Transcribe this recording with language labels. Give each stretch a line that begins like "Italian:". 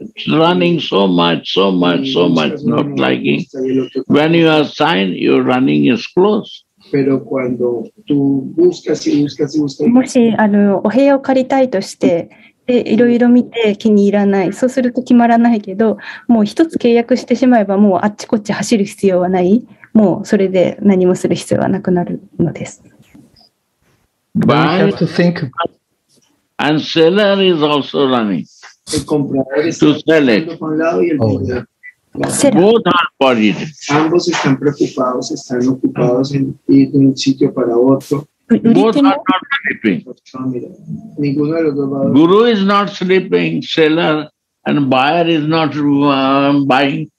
English: Running so much, so much, so much, not liking. When you are signed, your running is close.
Spanish: Pero cuando tú buscas y buscas y buscas.
Japanese: もしお部屋を借りたいとして、でいろいろ見て気に入らない、そうすると決まらないけど、もう一つ契約してしまえば、もうあっちこっち走る必要はない。もうそれで何もする必要はなくなるのです。
English: But and seller is also running. To sell it. Both are worried.
Spanish: Ambos están preocupados, están ocupados en ir de un sitio para otro.
English: Both are not sleeping. Guru is not sleeping, seller and buyer is not buying.